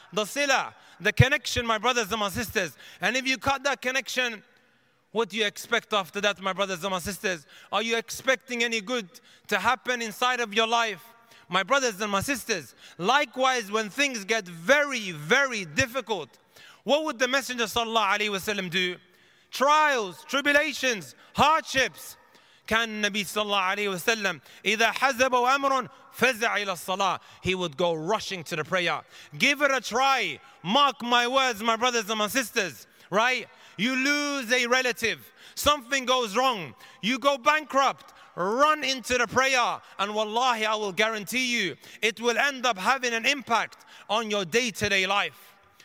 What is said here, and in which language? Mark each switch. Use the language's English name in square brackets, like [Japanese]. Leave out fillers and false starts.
[English] The sila, the connection, my brothers and my sisters. And if you cut that connection, what do you expect after that, my brothers and my sisters? Are you expecting any good to happen inside of your life? My brothers and my sisters, likewise, when things get very, very difficult, what would the Messenger sallallahu alayhi wa sallam do? trials, tribulations, hardships. [Arabic] كان النبي صلى الله عليه وسلم إذا حزب أمر فزع إلى الصلاة. [English] He would go rushing to the prayer. Give it a try. Mark my words, my brothers and my sisters. Right? You lose a relative. Something goes wrong. You go bankrupt. Run into the prayer. And wallahi, I will guarantee you, it will end up having an impact on your day-to-day life.